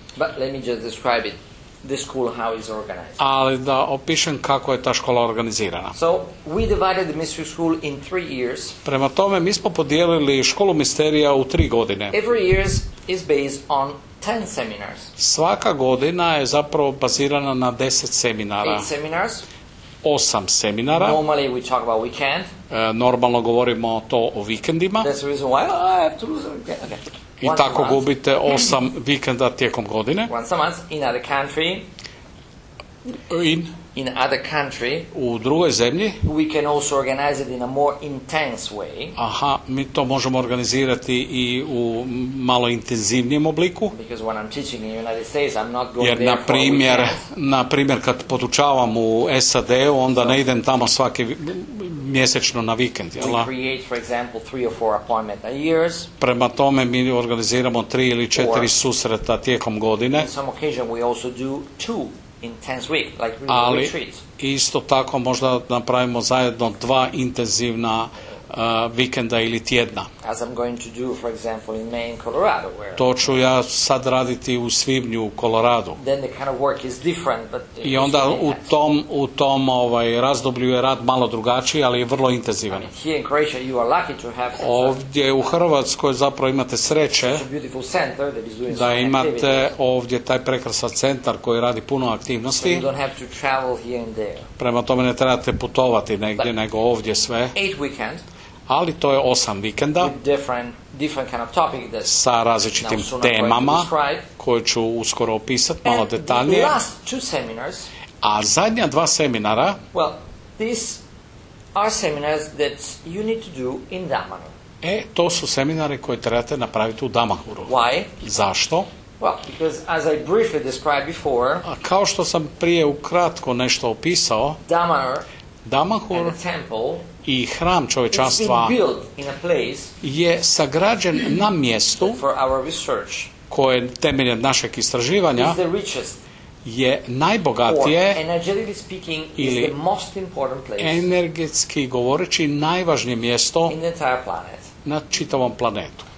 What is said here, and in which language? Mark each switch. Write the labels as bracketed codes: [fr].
[en] But let me just describe it, the school, how it's organized. [hr] Ali da opišem kako je ta škola organizirana. [en] So we divided the mystery school in 3 years. [hr] Prema tome, mi smo podijelili školu misterija u 3 godine. [en] Every year is based on 10 seminars. [hr] Svaka godina je zapravo bazirana na 10 seminara. [en] 8 seminars. [hr] 8 seminara. [en] Normally we talk about weekend. [hr] Normalno govorimo to o vikendima. [en] That's the reason why I have to lose a weekend. Okay. [hr] I tako gubite 8 vikenda tijekom godine. [en] Once a month in other country. In other country. [hr] U drugoj zemlji. [en] We can also organize it in a more intense way. [hr] Aha, mi to možemo organizirati i u malo intenzivnijem obliku. [en] Because when I'm teaching in the United States, I'm not going [hr] jer [en] there [hr] naprimjer, kad podučavam u SAD-u, onda ne idem tamo svaki mjesečno na vikend, jel? [en] We create, for example, 3 or 4 appointments a year. [hr] Prema tome, mi organiziramo 3 ili 4 susreta tijekom godine. [en] In some occasion we also do 2 intense week, like retreats. [hr] Ali isto tako možda napravimo zajedno 2 intenzivna vikenda ili tjedna. [en] As I'm going to do, for example, in May in Colorado, where [hr] to ću ja sad raditi u svibnju u Koloradu. [en] Then the kind of work is different, but [hr] i onda u tom ovaj razdoblju je rad malo drugačiji, ali je vrlo intenzivan. [en] Here in Croatia you are lucky to have such [hr] ovdje u Hrvatskoj zapravo imate sreće da imate ovdje taj prekrasan centar koji radi puno aktivnosti. [en] So you don't have to travel here and there. [hr] Prema tome ne trebate putovati negdje, [en] but [hr] nego ovdje sve. [en] 8 weekend. [hr] Ali to je 8 vikenda [en] different kind of topic that [hr] sa različitim temama koje ću uskoro opisati malo [en] and [hr] detaljnije. [en] Last two seminars, [hr] a zadnja 2 seminara, [en] well, these are seminars that you need to do in Damanhur. [hr] E, to su seminari koje trebate napraviti u Damanhuru. [en] Why? [hr] Zašto? [en] Well, because as I briefly described before, [hr] a kao što sam prije ukratko nešto opisao, [en] Damanhur and the temple [hr] i hram čovječanstva je sagrađen na mjestu koje temeljem našeg istraživanja je najbogatije ili energetski govoreći najvažnije mjesto na čitavom planetu.